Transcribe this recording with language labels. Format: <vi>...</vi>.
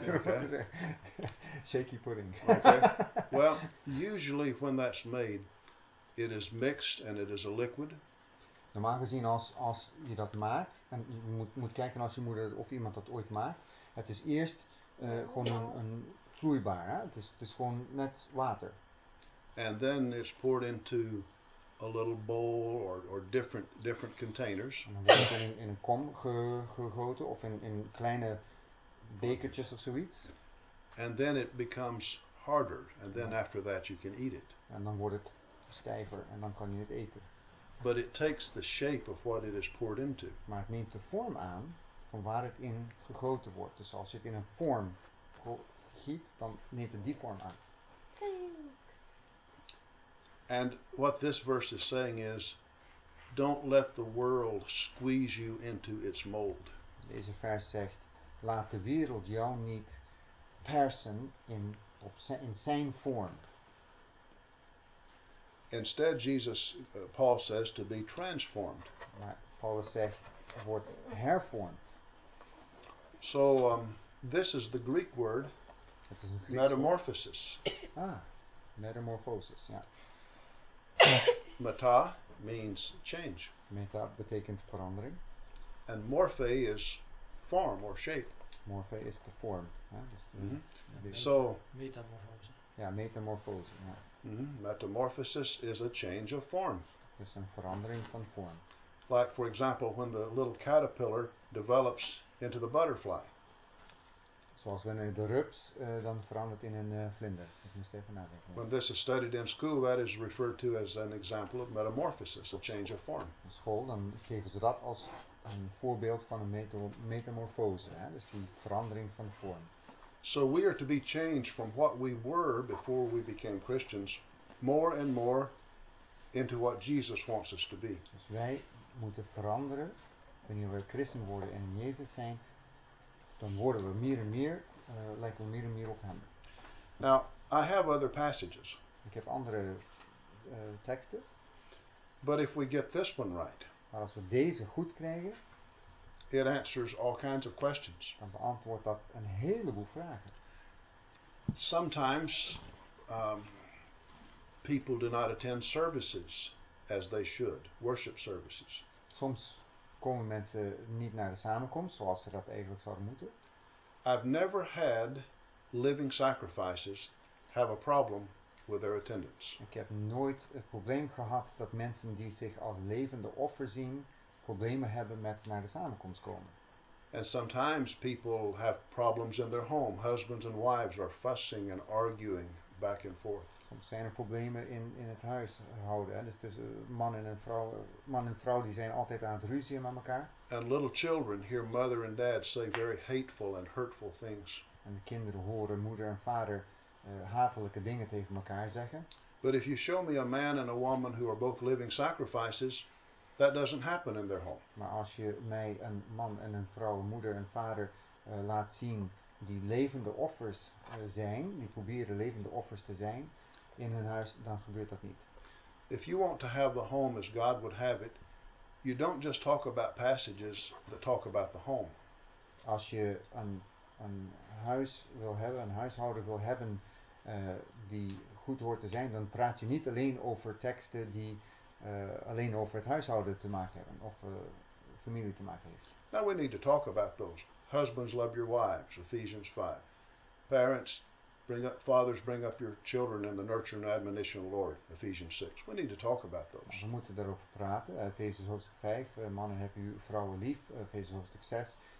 <nl>Bibberpudding, dat is een goede.</nl> <en>Shaky pudding. Okay. Well, usually when that's made, it is mixed and it is a liquid.</en> <nl>Normaal gezien, als je dat maakt, en je moet kijken als je moeder of iemand dat ooit maakt, het is eerst gewoon een vloeibaar, hè? Het is gewoon net water.</nl> <en>And then it's poured into a little bowl or different containers.</en> <nl>En dan wordt het in een kom gegoten of in kleine bekertjes of zoiets.</nl> <en>And then it becomes harder, and then after that you can eat it.</en> <nl>En dan wordt het stijver en dan kan je het eten.</nl> <en>But it takes the shape of what it is poured into.</en> <nl>Maar het neemt de vorm aan van waar het in gegoten wordt. Dus als je het in een vorm giet, dan neemt het die vorm aan.</nl> <en>And what this verse is saying is, don't let the world squeeze you into its mold.</en> <nl>Deze vers zegt, laat de wereld jou niet persen in zijn vorm.</nl> <en>Instead, Jesus, Paul says, to be transformed.</en> <nl>Maar Paulus zegt, wordt hervormd.</nl> <en>So, this is the Greek word,</en> <nl>het is een Grieks</nl> <en>metamorphosis.</en> <nl>Ah, metamorphosis, ja.</nl> <en>Meta means change.</en> <nl>Meta betekent verandering.</nl> <en>And morphe is form or shape.</en> <nl>Morphe is de vorm. Ja, dus</nl> <en>So,</en> <nl>metamorphose. Ja, metamorphose, ja.</nl> <en>Metamorphosis is a change of form.</en> <nl>Is een verandering van vorm.</nl> <en>Like for example, when the little caterpillar develops into the butterfly.</en> <nl>Zoals wanneer de rups dan verandert in een vlinder. Ik moest even nadenken.</nl> <en>When this is studied in school, that is referred to as an example of metamorphosis, a change of form.</en> <nl>In school dan geven ze dat als een voorbeeld van een metamorfose, hè? Dus die verandering van vorm.</nl> <en>So we are to be changed from what we were before we became Christians more and more into what Jesus wants us to be.</en> <nl>Dus wij moeten veranderen wanneer we christen worden en in Jezus zijn, dan worden we meer en meer lijken we meer en meer op hem.</nl> <en>Now, I have other passages.</en> <nl>Ik heb andere teksten.</nl> <en>But if we get this one right,</en> <nl>maar als we deze goed krijgen,</nl> <en>it answers all kinds of questions.</en> <nl>Dan beantwoordt dat een heleboel vragen.</nl> <en>Sometimes people do not attend services as they should, worship services.</en> <nl>Soms komen mensen niet naar de samenkomst zoals ze dat eigenlijk zouden moeten.</nl> <en>I've never had living sacrifices have a problem with their attendance.</en> <nl>Ik heb nooit het probleem gehad dat mensen die zich als levende offer zien problemen hebben met naar de samenkomst komen.</nl> <en>And sometimes people have problems in their home. Husbands and wives are fussing and arguing back and forth.</en> <nl>Er zijn problemen in het huishouden. Hè? Dus tussen man en vrouw die zijn altijd aan het ruzien met elkaar.</nl> <en>And little children hear mother and dad say very hateful and hurtful things.</en> <nl>En de kinderen horen moeder en vader hatelijke dingen tegen elkaar zeggen.</nl> <en>But if you show me a man and a woman who are both living sacrifices, that doesn't happen in their home.</en> <nl>Maar als je mij een man en een vrouw, moeder en vader laat zien die levende offers zijn, die proberen levende offers te zijn in hun huis, dan gebeurt dat niet.</nl> <en>If you want to have the home as God would have it, you don't just talk about passages that talk about the home.</en> <nl>Als je een huis wil hebben, een huishouden wil hebben die goed hoort te zijn, dan praat je niet alleen over teksten die alleen over het huishouden te maken hebben of familie te maken heeft.</nl> <en>Now we need to talk about those. Husbands love your wives, Ephesians 5. Parents, fathers bring up your children in the nurture and admonition of the Lord, Ephesians 6. We need to talk about those.</en> <nl>We moeten daarover praten. Ephesians hoofdstuk 5. Mannen, heb uw vrouwen lief. Ephesians hoofdstuk 6.</nl>